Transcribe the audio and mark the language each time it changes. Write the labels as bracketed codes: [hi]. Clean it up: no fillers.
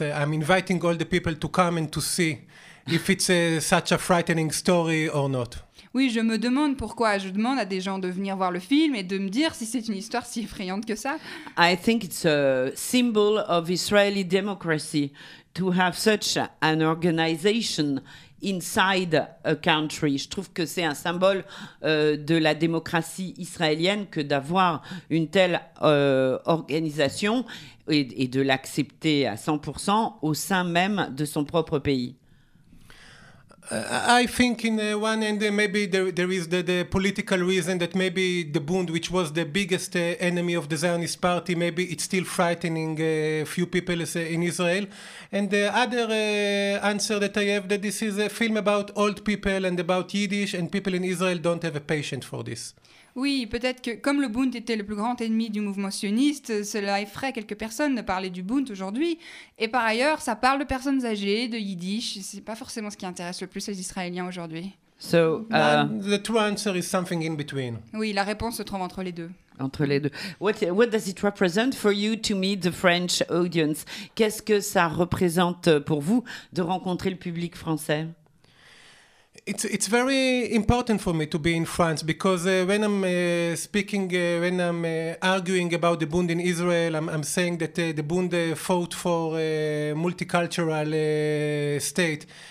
[en] I'm inviting all the people to come and to see if it's such a frightening story or not. [fr] Oui, je me demande pourquoi. Je demande à des gens de venir voir le film et de me dire si c'est une histoire si effrayante que ça. [en] I think it's a symbol of Israeli democracy to have such an organization inside a country. [fr] Je trouve que c'est un symbole de la démocratie israélienne que d'avoir une telle organisation et de l'accepter à 100% au sein même de son propre pays. [en] I think in one end maybe there is the political reason that maybe the Bund, which was the biggest enemy of the Zionist party, maybe it's still frightening a few people in Israel. And the other answer that I have, that this is a film about old people and about Yiddish, and people in Israel don't have a patience for this. [fr] Oui, peut-être que comme le Bund était le plus grand ennemi du mouvement sioniste, cela effraie quelques personnes de parler du Bund aujourd'hui. Et par ailleurs, ça parle de personnes âgées, de yiddish. Ce n'est pas forcément ce qui intéresse le plus les Israéliens aujourd'hui. [en] So, the true answer is something in between. [fr] Oui, la réponse se trouve entre les deux. Entre les deux. [en] What does it represent for you to meet the French audience? [fr] Qu'est-ce que ça représente pour vous de rencontrer le public français? [en] It's very important for me to be in France because when I'm speaking, when I'm arguing about the Bund in Israel, I'm saying that the Bund fought for a multicultural state.